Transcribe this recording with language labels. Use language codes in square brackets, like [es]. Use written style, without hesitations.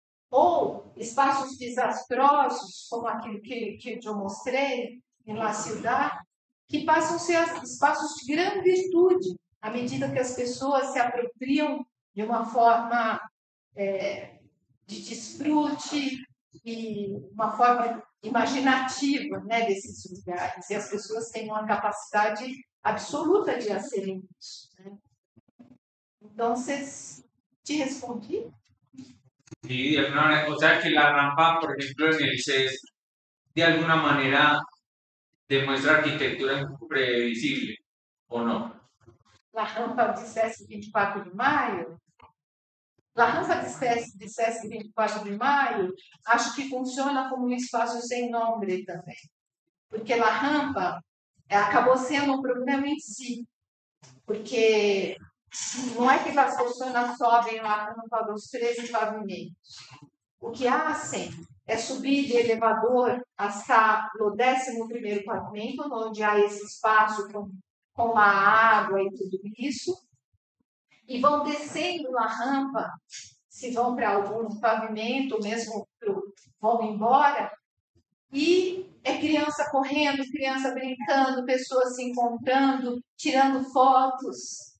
[pt] Ou espaços desastrosos, como aquele que eu mostrei em La Ciudad, que passam a ser espaços de grande virtude, à medida que as pessoas se apropriam de uma forma de desfrute e uma forma imaginativa, né, desses lugares. E as pessoas têm uma capacidade absoluta de acerem isso. Né? Então, vocês te respondi? [es] Sí, o sea que la rampa, por ejemplo, en el CES, de alguna manera demuestra arquitectura imprevisible, ¿o no? La rampa de CES 24 de mayo. La rampa de CES 24 de mayo, [pt] acho que [es] funciona como un espacio sin nombre también. Porque la rampa acabó siendo un problema en sí. [pt] Porque não é que as pessoas sobem lá para os 13 pavimentos. O que fazem é subir de elevador até o 11º pavimento, onde há esse espaço com a água e tudo isso, e vão descendo a rampa, se vão para algum pavimento, mesmo vão embora, e é criança correndo, criança brincando, pessoas se encontrando, tirando fotos.